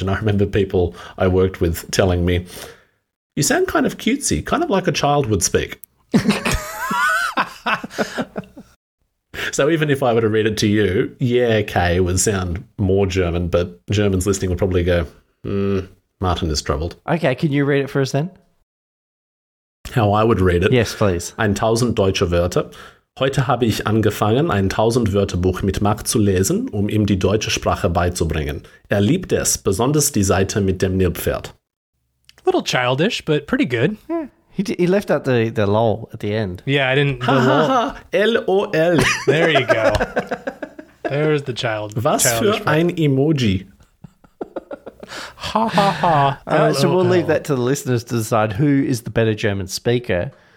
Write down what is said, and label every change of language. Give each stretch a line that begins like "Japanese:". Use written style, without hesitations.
English: And I remember people I worked with telling me, you sound kind of cutesy, kind of like a child would speak. So even if I were to read it to you, yeah, okay, it would sound more German, but Germans listening would probably go, Martin is troubled. Okay, can you read it for us then? How I would read it? Yes, please.
German: 1,000 deutsche Wörter. Heute habe ich angefangen, ein 1,000-Wörter-Buch mit Marc zu lesen, um ihm die deutsche Sprache beizubringen. Liebt es, besonders die Seite mit dem Nilpferd.
English: A little childish, but pretty good. Yeah. He left out the lol at the end. Yeah, I didn't. Ha ha ha. LOL. There you go. There's the child.
German: Was für ein emoji. Ha ha ha.
English: All right, so we'll leave that to the listeners to decide who is the better German speaker.